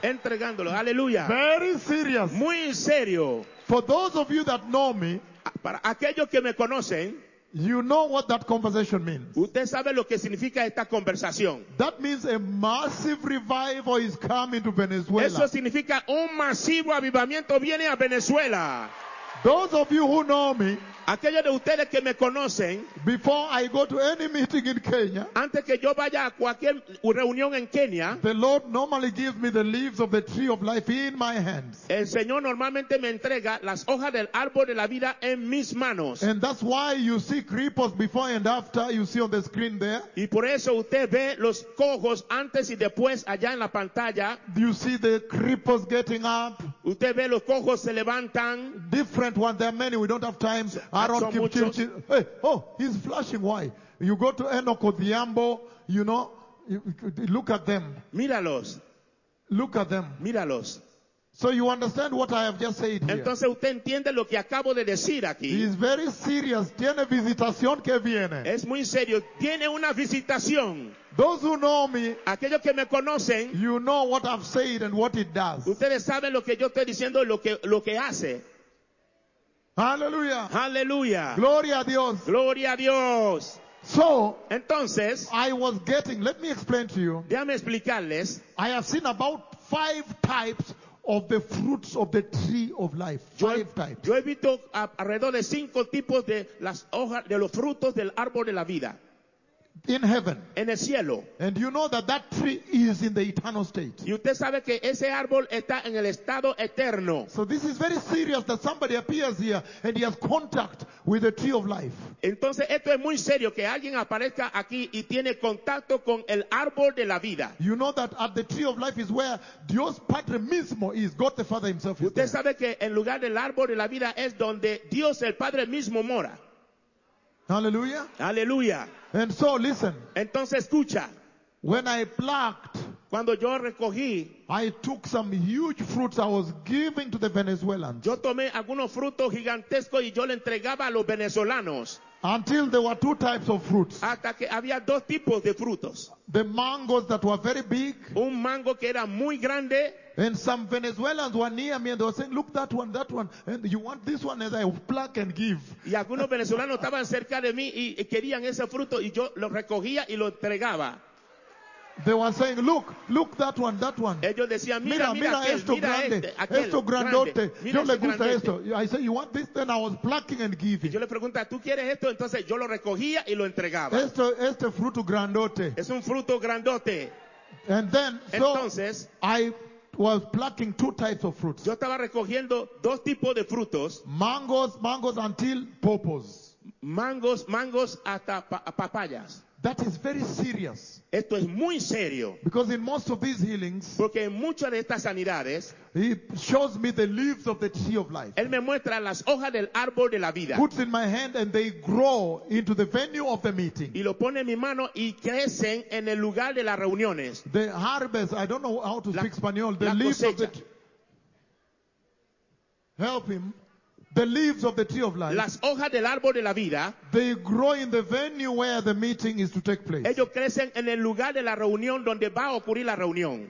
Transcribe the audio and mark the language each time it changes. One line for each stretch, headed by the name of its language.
Spanish: Entregándolo, aleluya.
English: Very serious.
Spanish: Muy serio.
English: For those of you that know me.
Spanish: Para aquellos que me conocen.
English: You know what that conversation means.
Spanish: Usted sabe lo que significa esta conversación.
English: That means a massive revival is coming to Venezuela.
Spanish: Eso significa un masivo avivamiento viene a Venezuela.
English: Those of you who know me,
Spanish: aquellos de ustedes que me conocen,
English: before I go to any meeting in Kenya,
Spanish: antes que yo vaya a cualquier reunión en Kenia,
English: the Lord normally gives me the leaves of the tree of life in my hands.
Spanish: El Señor normalmente me entrega las hojas del árbol de la vida en mis manos.
English: And that's why you see cripples before and after, you see on the screen there.
Spanish: Y por eso usted ve los cojos antes y después allá en la pantalla.
English: You see the cripples getting up.
Spanish: Usted ve los cojos se levantan.
English: Different ones, there are many, we don't have time. Aaron Kipchirchir. Hey, oh, he's flashing. Why? You go to Enoch Odhiambo, you know, look at them.
Spanish: Míralos.
English: Look at them.
Spanish: Míralos.
English: So you understand what I have just said here.
Spanish: Entonces usted entiende lo que acabo de decir aquí.
English: He is very serious.
Spanish: Tiene visitación que viene. Es muy serio. Tiene una visitación.
English: Those who know me,
Spanish: aquellos que me conocen,
English: you know what I've said and what it does.
Spanish: Ustedes saben lo que yo estoy diciendo, lo que hace.
English: Hallelujah. Hallelujah.
Spanish: Gloria a Dios. Gloria a Dios.
English: So,
Spanish: entonces,
English: I was getting, let me explain to you.
Spanish: Déjame explicarles.
English: I have seen about 5 types of the fruits of the tree of life. 5 types.
Spanish: Yo he visto alrededor de 5 tipos de las hojas de los frutos del árbol de la vida.
English: In heaven.
Spanish: En el cielo.
English: And you know that that tree is in the eternal state.
Spanish: Y usted sabe que ese árbol está en el estado eterno.
English: So this is very serious that somebody appears here and he has contact with the tree of life.
Spanish: Entonces esto es muy serio que alguien aparezca aquí y tiene contacto con el árbol de la vida.
English: You know that at the tree of life is where
Spanish: Dios Padre mismo
English: is, God the Father himself is.
Spanish: Usted Sabe que en lugar del árbol de la vida es donde Dios el Padre mismo mora.
English: Hallelujah. Hallelujah. And so listen.
Spanish: Entonces escucha.
English: When I plucked,
Spanish: cuando yo recogí,
English: I took some huge fruits I was giving to the Venezuelans.
Spanish: Yo tomé algunos frutos gigantescos y yo le entregaba a los venezolanos.
English: Until there were 2 types of fruits.
Spanish: Hasta que había 2 tipos de frutos.
English: The mangoes that were very big.
Spanish: Un mango que era muy grande.
English: And some Venezuelans were near me and they were saying, look, that one, and you want this one, as I pluck and give.
Spanish: Y algunos venezolanos estaban cerca de mí y querían ese fruto y yo lo recogía y lo entregaba.
English: They were saying, look, that one.
Spanish: Ellos decían, mira, esto mira grande, aquel, esto grandote, grande, yo le gusta esto.
English: I said, you want this? Then I was plucking and giving.
Spanish: Y yo le pregunté, ¿tú quieres esto? Entonces yo lo recogía y lo entregaba. Este fruto grandote. Es un fruto grandote.
English: And then,
Spanish: entonces,
English: so, I was plucking 2 types of fruits.
Spanish: Yo estaba recogiendo 2 tipos de frutos.
English: Mangoes until pawpaws.
Spanish: Mangos hasta papayas.
English: That is very serious.
Spanish: Esto es muy serio.
English: Because in most of these healings,
Spanish: porque en muchas de estas sanidades,
English: he shows me the leaves of the tree of life.
Spanish: Él me muestra las hojas del árbol de la vida.
English: Puts in my hand and they grow into the venue of the meeting.
Spanish: Y lo pone en mi mano y crecen en el lugar de las reuniones.
English: The harvest, I don't know how to speak Spanish. The leaves
Spanish: cosecha.
English: Of the help him. The leaves of the tree of life.
Spanish: Las hojas del árbol de la vida.
English: They grow in the venue where the meeting is to take place.
Spanish: Ellos crecen en el lugar de la reunión donde va a ocurrir la reunión.